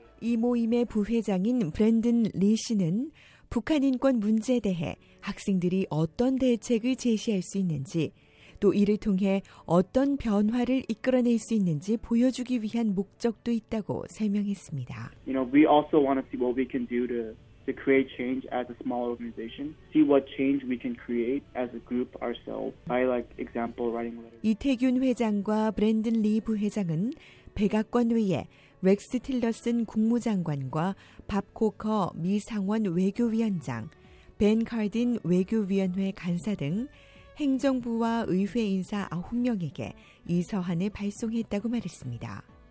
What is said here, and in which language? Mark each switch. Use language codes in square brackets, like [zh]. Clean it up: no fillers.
[ko] 이 모임의 부회장인 브랜든 리 씨는 북한 인권 문제에 대해 학생들이 어떤 대책을 제시할 수 있는지 또 이를 통해 어떤 변화를 이끌어낼 수 있는지 보여주기 위한 목적도 있다고 설명했습니다. [en] You know, we also want to see what we can do to create change as a small organization. See what change we can create as a group ourselves by like example writing letters. [ko] 이태균 회장과 브랜든 리 부회장은 백악관 외에 렉스 틸러슨 국무장관과 밥 코커 미 상원 외교위원장, 벤 카딘 외교위원회 간사 등 행정부와 의회 인사 9명에게 이 서한을 발송했다고 말했습니다.